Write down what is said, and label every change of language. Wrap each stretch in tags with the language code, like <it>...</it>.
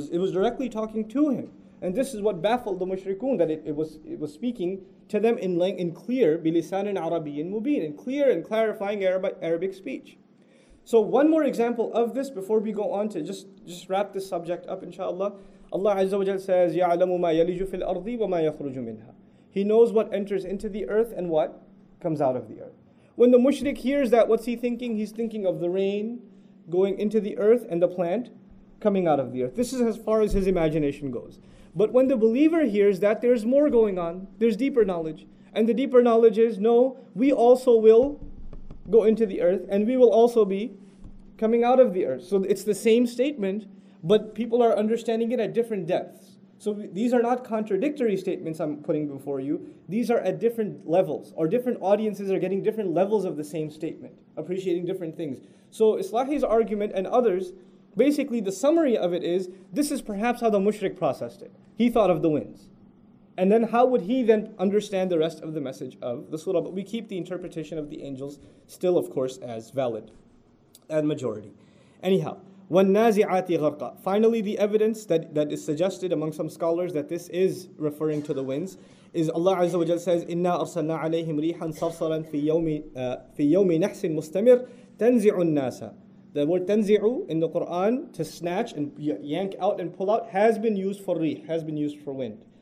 <en>It was directly talking to him. And this is what baffled the mushrikun, that it was speaking to them in clear,</en> <ar>bilisanin arabiyin mubin,</ar> <en>in clear and clarifying Arabic speech. So one more example of this before we go on to just wrap this subject up, inshallah. Allah Azza wa Jalla says,</en> <ar>يَعْلَمُ مَا يَلِجُ فِي الْأَرْضِ وَمَا يَخْرُجُ مِنْهَا.</ar> <en>He knows what enters into the earth and what comes out of the earth. When the mushrik hears that, what's he thinking? He's thinking of the rain going into the earth and the plant coming out of the earth. This is as far as his imagination goes. But when the believer hears that, there's more going on. There's deeper knowledge. And the deeper knowledge is, no, we also will go into the earth and we will also be coming out of the earth. So it's the same statement, but people are understanding it at different depths. So these are not contradictory statements I'm putting before you. These are at different levels, or different audiences are getting different levels of the same statement, appreciating different things. So Islahi's argument and others, basically the summary of it is, this is perhaps how the mushrik processed it. He thought of the winds. And then how would he then understand the rest of the message of the surah? But we keep the interpretation of the angels still, of course, as valid and majority.</en> <ar>Anyhow, وَالنَّازِعَاتِ غَرْقَ.</ar> <en>Finally, the evidence that is suggested among some scholars that this is referring to the winds is Allah Azza wa Jalla says,</en> <ar>إِنَّا أَرْسَلْنَا عَلَيْهِمْ رِيحًا صَرْصَرًا فِي يَوْمِ نَحْسٍ مُسْتَمِرٍ تَنْزِعُ النَّاسَ.</ar> <en>The word تَنْزِعُ in the Quran, to snatch and yank out and pull out, has been used for rih, has been used for wind.</en>